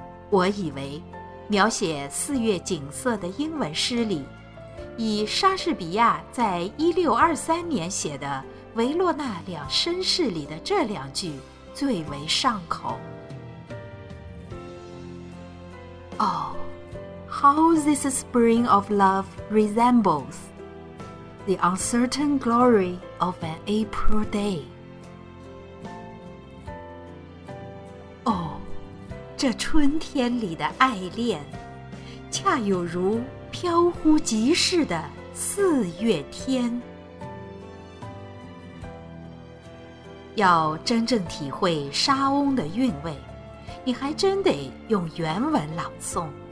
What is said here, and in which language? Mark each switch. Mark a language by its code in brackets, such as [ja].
[zh] 我以为描写四月景色的英文诗里，以莎士比亚在1623年写的《维罗纳两绅士》里的这两句最为上口。 [en] Oh, how this spring of love resembles the uncertain glory of an April day. [zh] Oh, 这春天里的爱恋，恰有如飘忽即逝的四月天。要真正体会莎翁的韵味，你还真得用原文朗诵。